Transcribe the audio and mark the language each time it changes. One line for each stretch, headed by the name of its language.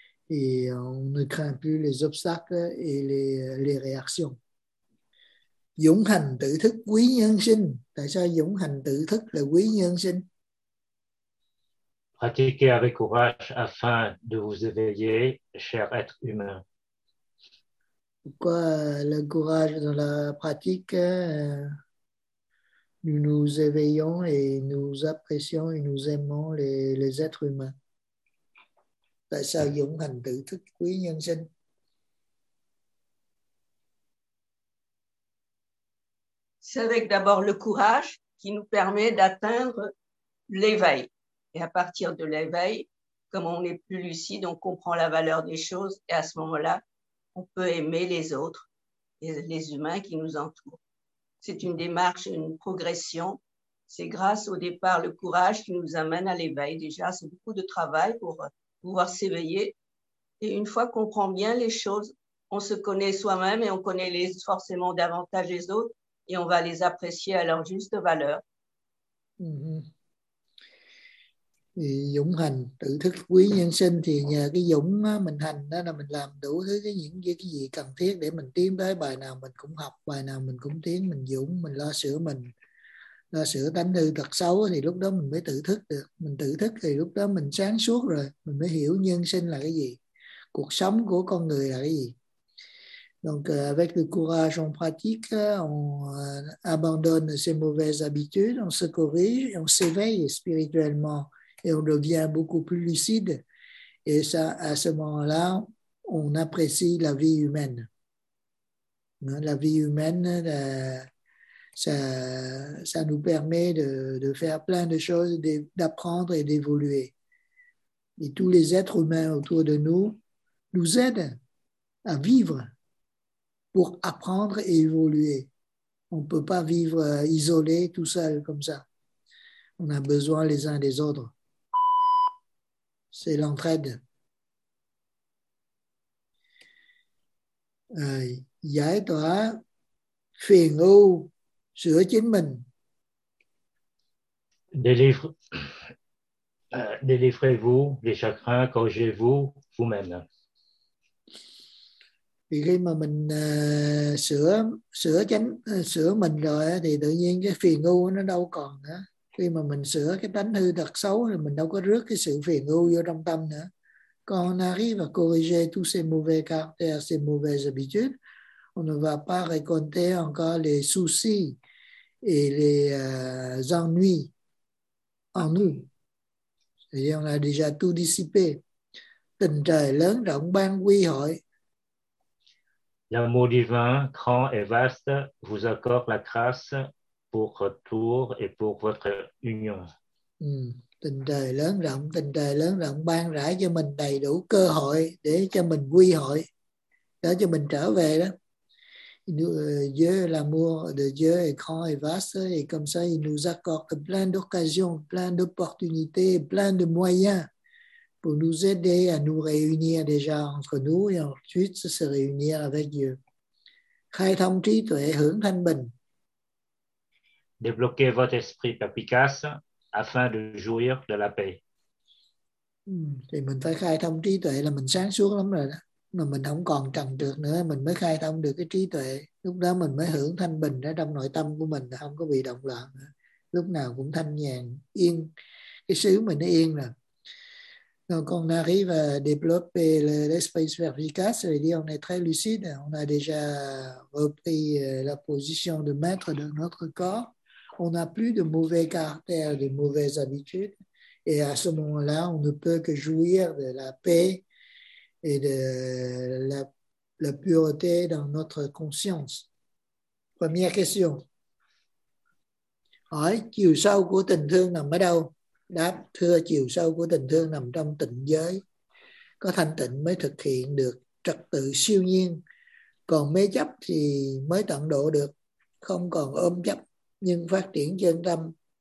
French: Et on ne craint plus les obstacles et les réactions.
Vietnamese: Dũng hành tự thức quý nhân sinh. Tại sao dũng hành tự thức là quý nhân sinh?
French: Pratiquez avec courage afin de vous éveiller, cher être humain. Pourquoi le courage dans la pratique? Nous nous éveillons et nous apprécions et nous aimons les êtres humains.
Vietnamese: Tại sao dũng hành tự thức quý nhân sinh?
French: C'est avec d'abord le courage qui nous permet d'atteindre l'éveil. Et à partir de l'éveil, comme on est plus lucide, on comprend la valeur des choses et à ce moment-là, on peut aimer les autres, les humains qui nous entourent. C'est une démarche, une progression. C'est grâce au départ le courage qui nous amène à l'éveil. Déjà, c'est beaucoup de travail pour pouvoir s'éveiller. Et une fois qu'on comprend bien les choses, on se connaît soi-même et on connaît forcément davantage les autres. Et on va les apprécier à leur juste valeur.
Vietnamese: Dũng hành tự thức quý nhân sinh thì nhờ cái dũng mình hành đó là mình làm đủ thứ cái gì cần thiết để mình tiến tới bài nào mình cũng học bài nào mình cũng tiến mình dũng mình lo sửa mình lo sửa tánh hư tật xấu thì lúc đó mình mới tự thức được mình tự thức thì lúc đó mình sáng suốt rồi mình mới hiểu nhân sinh là cái gì cuộc sống của con người là cái gì.
French: Donc, avec le courage, on pratique, on abandonne ses mauvaises habitudes, on se corrige, on s'éveille spirituellement et on devient beaucoup plus lucide. Et ça, à ce moment-là, on apprécie la vie humaine. La vie humaine, ça nous permet de faire plein de choses, d'apprendre et d'évoluer. Et tous les êtres humains autour de nous nous aident à vivre. Pour apprendre et évoluer. On ne peut pas vivre isolé, tout seul, comme ça. On a besoin les uns des autres. C'est l'entraide.
Vietnamese: Giải tỏa phiền ưu, sửa chính mình.
French: Délivrez-vous les chakras, corrigez-vous vous-même.
Vietnamese: Vì khi mà mình sửa mình rồi thì tự nhiên cái phiền ưu nó đâu còn nữa. Khi mà mình sửa cái tánh hư tật xấu thì mình đâu có rước cái sự phiền ưu vô trong tâm nữa.
French: Quand on arrive à corriger tous ces mauvais caractères, ces mauvaises habitudes, on ne va pas raconter encore les soucis et les ennuis en nous. C'est-à-dire on a déjà tout dissipé.
Vietnamese: Tình trời lớn rộng ban quy hội.
French: L'amour divin, grand et vaste, vous accorde la grâce pour retour et pour votre union.
Vietnamese: Tình trời lớn rộng, tình trời lớn rộng ban rải cho mình đầy đủ cơ hội để cho mình quy hội, để cho mình trở về đó.
French: Dieu, l'amour de Dieu est grand et vaste, et comme ça, il nous accorde plein d'occasions, plein d'opportunités, plein de moyens. Pour nous aider à nous réunir déjà entre nous et ensuite se réunir avec Dieu.
Vietnamese: Khai thông trí tuệ hướng thanh bình.
French: débloquer votre esprit perspicace afin de jouir de la paix.
Vietnamese: Thì mình phải khai thông trí tuệ là mình sáng suốt lắm rồi đó. Mà mình không còn trần trược nữa, mình mới khai thông được cái trí tuệ. Lúc đó mình mới hưởng thanh bình ở trong nội tâm của mình, không có bị động loạn. Lúc nào cũng thanh nhàn, yên. Cái xứ mình nó yên rồi.
French: Donc on arrive à développer l'espace verticale, c'est-à-dire on est très lucide, on a déjà repris la position de maître de notre corps, on n'a plus de mauvais caractère, de mauvaises habitudes, et à ce moment-là, on ne peut que jouir de la paix et de la pureté dans notre conscience. Première question.
Vietnamese: Hỏi, chiều sâu của tình thương nằm ở đâu? Đáp, thưa, chiều sâu của tình thương nằm trong tịnh giới. Có thanh tịnh mới thực hiện được trật tự siêu nhiên. Còn mê chấp thì mới tận độ được. Không còn ôm chấp nhưng phát triển chân tâm.